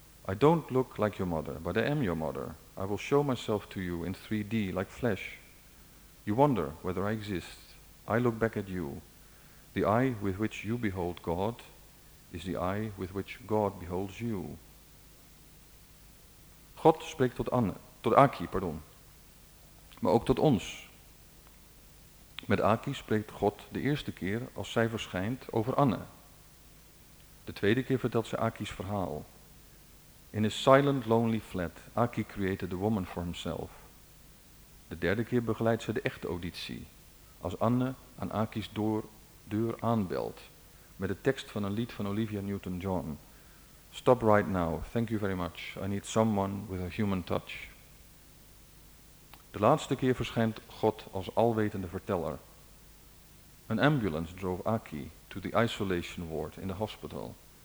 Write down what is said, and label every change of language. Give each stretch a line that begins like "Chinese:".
English: I don't look like your mother, but I am your mother. I will show myself to you in 3D like flesh. You wonder whether I exist. I look back at you. The eye with which you behold God is the eye with which God beholds you.
Dutch: God spreekt tot Anne, tot Aki, pardon, maar ook tot ons. Met Aki spreekt God de eerste keer als zij verschijnt over Anne. De tweede keer vertelt ze Aki's verhaal.
English: In his silent, lonely flat, Aki created the woman for himself.
Dutch: De derde keer begeleidt ze de echte auditie, als Anne aan Aki's deur aanbelt, met de tekst van een lied van Olivia Newton-John.
English: Stop right now, thank you very much, I need someone with a human touch.
Dutch: De laatste keer verschijnt God als alwetende verteller.
English: An ambulance drove Aki to the isolation ward in the hospital.